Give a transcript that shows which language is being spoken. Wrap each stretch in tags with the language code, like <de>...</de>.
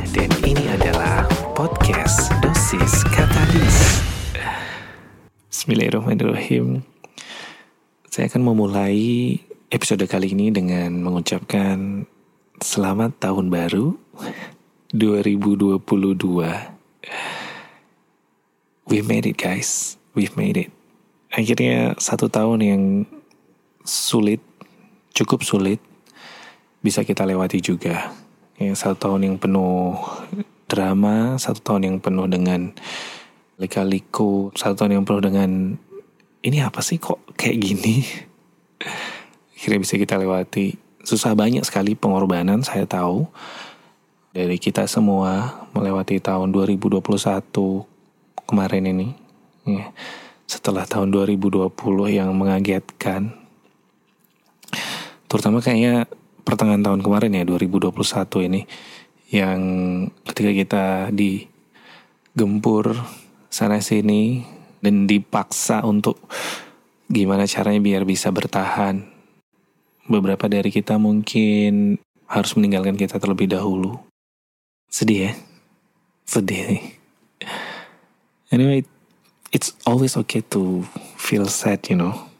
<id>Dan ini adalah Podcast Dosis Katalis. Bismillahirrahmanirrahim. Saya akan memulai episode kali ini dengan mengucapkan selamat tahun baru 2022.</id> <en>We've made it guys, we've made it.</en> <id>Akhirnya satu tahun yang sulit, cukup sulit, bisa kita lewati juga. Satu tahun yang penuh drama, satu tahun yang penuh dengan lika-liku, satu tahun yang penuh dengan ini apa sih kok kayak gini. Akhirnya bisa kita lewati. Susah banyak sekali pengorbanan, saya tahu, dari kita semua melewati tahun 2021 kemarin ini. Setelah tahun 2020 yang mengagetkan, terutama kayaknya pertengahan tahun kemarin ya, 2021 ini, yang ketika kita digempur sana-sini dan dipaksa untuk gimana caranya biar bisa bertahan. Beberapa dari kita mungkin harus meninggalkan kita terlebih dahulu. Sedih ya? Sedih nih.</id> <en>Anyway, it's always okay to feel sad, you know.</en>